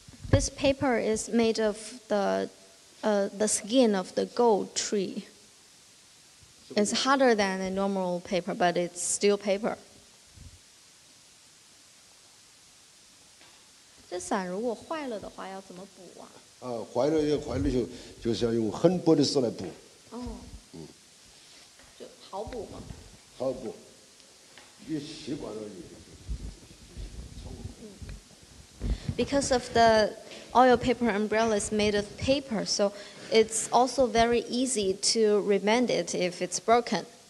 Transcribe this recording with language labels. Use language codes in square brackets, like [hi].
[en] This paper is made of the skin of the gold tree. It's harder than a normal paper, but it's still paper. [zh] 这伞如果坏了的话，要怎么补啊？坏了就是要用很薄的纸来补。哦。就好补吗？好补，你习惯了就。 [en] Because of the oil paper umbrella is made of paper, so it's also very easy to remend it if it's broken.